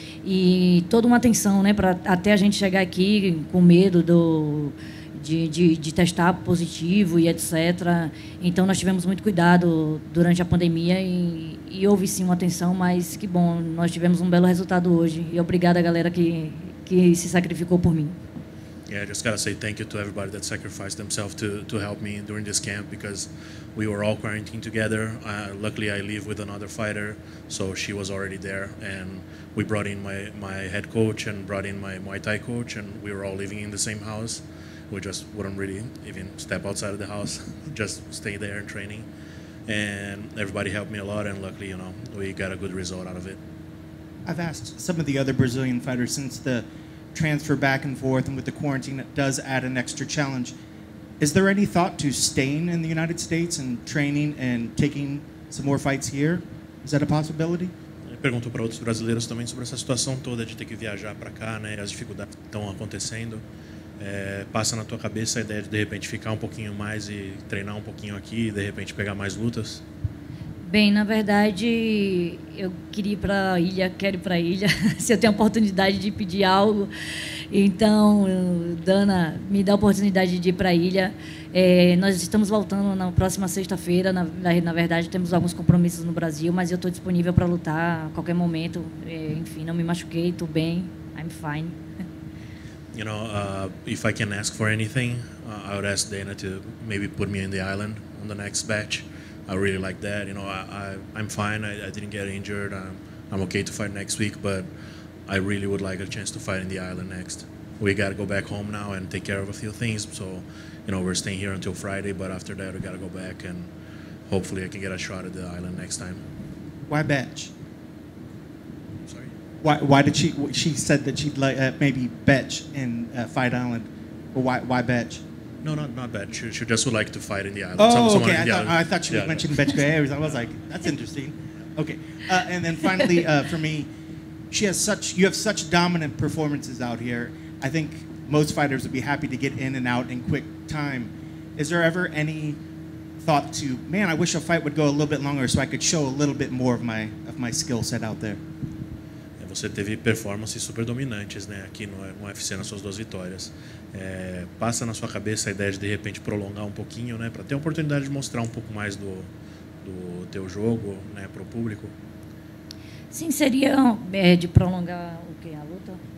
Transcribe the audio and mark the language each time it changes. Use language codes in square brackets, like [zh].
[pt] E toda uma atenção, né, para até a gente chegar aqui com medo de testar positivo e etc. Então, nós tivemos muito cuidado durante a pandemia e houve sim uma atenção, mas que bom, nós tivemos um belo resultado hoje. E obrigada, galera, que se sacrificou por mim. [en] Yeah, just gotta say thank you to everybody that sacrificed themselves to help me during this camp, because we were all quarantined together. Luckily, I live with another fighter, so she was already there. And we brought in my head coach and brought in my Muay Thai coach, and we were all living in the same house. We just wouldn't really even step outside of the house, just stay there and training. And everybody helped me a lot, and luckily, you know, we got a good result out of it. I've asked some of the other Brazilian fighters, since the transfer back and forth and with the quarantine, it does add an extra challenge. Is there any thought to staying in the United States and training and taking some more fights here? Is that a possibility? [pt] Perguntou para outros brasileiros também sobre essa situação toda de ter que viajar para cá, né, as dificuldades que estão acontecendo. Passa na tua cabeça a ideia de repente ficar um pouquinho mais e treinar um pouquinho aqui e de repente pegar mais lutas? Bem, na verdade, eu queria ir para a ilha, quero ir para a ilha, se eu tenho a oportunidade de pedir algo. Então, Dana, me dá a oportunidade de ir para a ilha. É, nós estamos voltando na próxima sexta-feira. Na verdade, temos alguns compromissos no Brasil, mas eu estou disponível para lutar a qualquer momento. É, enfim, não me machuquei, estou bem. [en] I'm fine. You know, if I can ask for anything, I would ask Dana to maybe put me in the island on the next batch. I really like that. You know, I'm fine. I didn't get injured. I'm okay to fight next week, but I really would like a chance to fight in the island next. We got to go back home now and take care of a few things. So, you know, we're staying here until Friday, but after that, we got to go back and hopefully I can get a shot at the island next time. Why batch? Sorry? Why did she... She said that she'd like maybe batch in Fight Island. But why batch? No, not bad. She just would like to fight in the island. Oh, okay. I thought she mentioned Betchka Harris. I was like, that's interesting. Okay. And then finally, for me, you have such dominant performances out here. I think most fighters would be happy to get in and out in quick time. Is there ever any thought to, man, I wish a fight would go a little bit longer so I could show a little bit more of my skill set out there? [pt] Você teve performances super dominantes, né, aqui no UFC nas suas duas vitórias. É, passa na sua cabeça a ideia de repente prolongar um pouquinho, né, para ter a oportunidade de mostrar um pouco mais do teu jogo, né, para o público? Sim, seria de prolongar o quê? A luta?